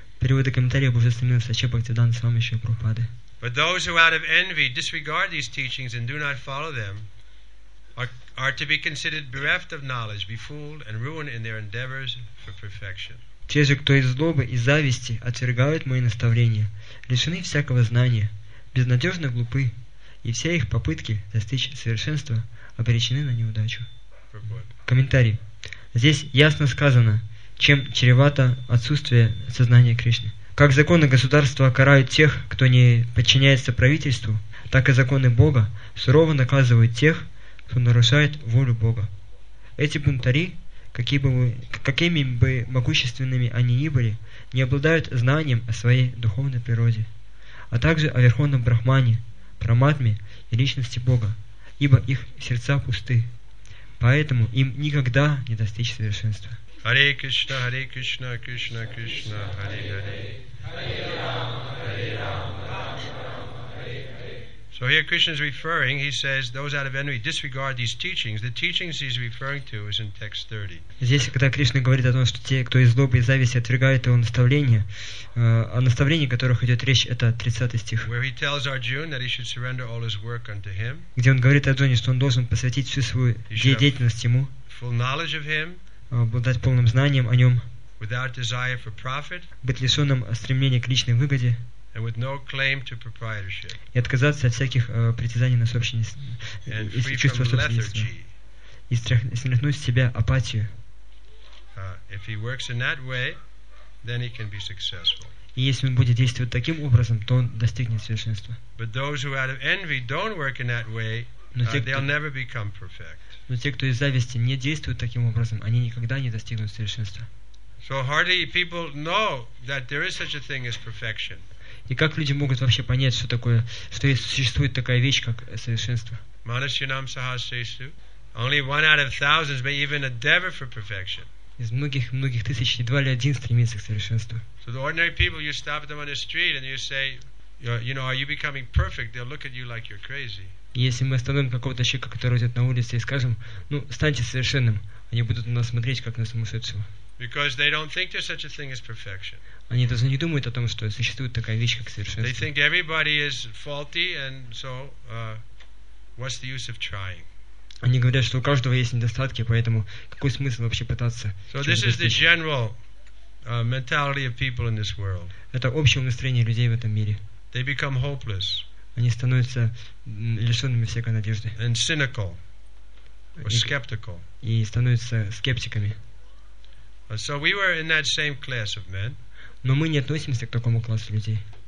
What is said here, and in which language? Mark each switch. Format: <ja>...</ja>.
<ru>Переводы комментариев Божественного Саче Бхактиданта Свами Шри Прабхупады.</ru> <en>But those who out of envy disregard these teachings and do not follow them are to be considered bereft of knowledge, befooled, and ruined in their endeavors for perfection.</en> <ru>Те же, кто из злобы и зависти отвергают мои наставления, лишены всякого знания, безнадежно глупы, и все их попытки достичь совершенства обречены на неудачу. Комментарий. Здесь ясно сказано, чем чревато отсутствие сознания Кришны. Как законы государства карают тех, кто не подчиняется правительству, так и законы Бога сурово наказывают тех, кто нарушает волю Бога. Эти бунтари, какими бы могущественными они ни были, не обладают знанием о своей духовной природе, а также о Верховном Брахмане, Параматме и Личности Бога, ибо их сердца пусты, поэтому им никогда не достичь совершенства.</ru> <sa>Hare Krishna, Hare Krishna, Krishna Krishna, Hare Hare. Hare Rama, Hare Rama, Rama Rama, Hare Hare.</sa> <en>So here Krishna is referring, he says, those out of envy disregard these teachings. The teachings he's referring to is in text 30.</en> <ru>Здесь, когда Кришна говорит о том, что те, кто из злобы и зависти отвергают его наставления, о наставлении, о которых идет речь, это 30 стих.</ru> <en>Where he tells Arjuna that he should surrender all his work unto him.</en> <ru>Где он говорит Арджуне, что он должен посвятить всю свою деятельность ему.</ru> <en>Full knowledge of him.</en> <ru>Обладать полным знанием о нем,</ru> <en>without desire for profit,</en> <ru>быть лишенным стремления к личной выгоде,</ru> <en>and with no claim to proprietorship,</en> <ru>и отказаться от всяких притязаний на собственность, и чувство собственности, и стряхнуть с себя апатию.</ru> <en>If he works in that way, then he can be successful.</en> <ru>И если он будет действовать таким образом, то он достигнет совершенства.</ru> <en>But those who out of envy don't work in that way, they'll never become perfect.</en> <ru>Но те, кто из зависти не действуют таким образом, они никогда не достигнут совершенства.</ru> <en>So hardly people know that there is such a thing as perfection.</en> <ru>И как люди могут вообще понять, что такое, что существует такая вещь, как совершенство?</ru> <sa>Manasyanam sahasesu.</sa> <en>Only one out of thousands may even endeavor for perfection.</en> <ru>Из многих тысяч едва ли один стремится к совершенству.</ru> <en>So the ordinary people, you stop them on the street and you say, you know, are you becoming perfect? They'll look at you like you're crazy.</en> <ru>Если мы остановим какого-то человека, который идет на улице, и скажем, ну, станьте совершенным, они будут на нас смотреть, как на сумасшедшего.</ru> <en>Because they don't think there's such a thing as perfection.</en> <ru>Они даже не думают о том, что существует такая вещь, как совершенство.</ru> <en>They think everybody is faulty, and so, what's the use of trying?</en> <ru>Они говорят, что у каждого есть недостатки, поэтому какой смысл вообще пытаться?</ru> <en>So this is the general mentality of people in this world.</en> <ru>Это общее настроение людей в этом мире.</ru> <en>They become hopeless.</en> <ru>Они становятся лишенными всякой надежды.</ru> <en>And cynical, or skeptical.</en> <ru>И становятся скептиками.</ru> <en>So we were in that same class of men.</en> <ru>Но мы не относимся к такому классу людей.</ru>